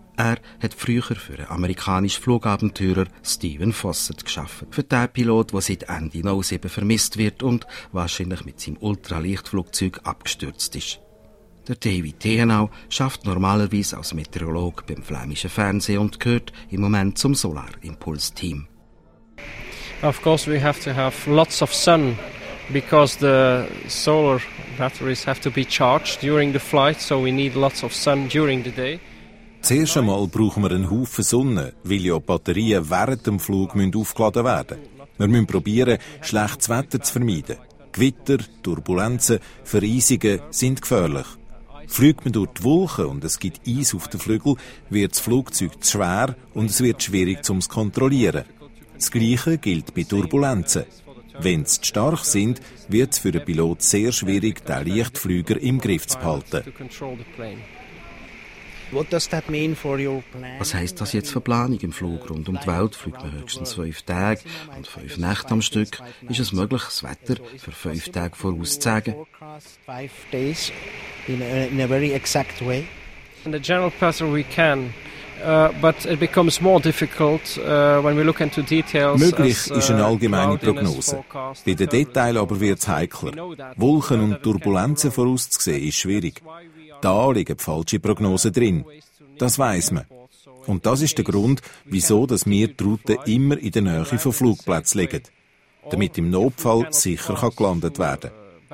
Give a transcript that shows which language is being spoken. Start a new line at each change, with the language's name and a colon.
German: Er hat früher für den amerikanischen Flugabenteurer Stephen Fossett gearbeitet. Für den Pilot, der seit Ende 07 vermisst wird und wahrscheinlich mit seinem Ultralichtflugzeug abgestürzt ist. Der David Dehenau arbeitet normalerweise als Meteorologe beim flämischen Fernsehen und gehört im Moment zum Solarimpuls-Team.
English: Of course we have to have lots of sun, because the solar batteries have to be charged during the flight, so we need lots of sun during the day.
German: Zuerst einmal brauchen wir einen Haufen Sonne, weil ja die Batterien während dem Flug aufgeladen werden müssen. Wir müssen probieren, schlechtes Wetter zu vermeiden. Gewitter, Turbulenzen, Vereisungen sind gefährlich. Fliegt man durch die Wolken und es gibt Eis auf den Flügeln, wird das Flugzeug zu schwer und es wird schwierig, um es zu kontrollieren. Das Gleiche gilt bei Turbulenzen. Wenn sie zu stark sind, wird es für den Pilot sehr schwierig, den Lichtflüger im Griff zu behalten. Was heisst das jetzt für Planung im Flug? Rund um die Welt fliegt man höchstens 5 Tage und 5 Nächte am Stück. Ist es möglich, das Wetter für 5 Tage vorauszusagen?
English: In a very exact way. In the general pattern we can. But it becomes more difficult when we look into details.
German: Möglich ist eine allgemeine Prognose. Bei den Details aber wird es heikler. Wolken und Turbulenzen vorauszusehen ist schwierig. Da liegen falsche Prognosen drin. Das weiss man. Und das ist der Grund, wieso dass wir die Route immer in der Nähe von Flugplätzen legen, damit im Notfall sicher gelandet werden kann.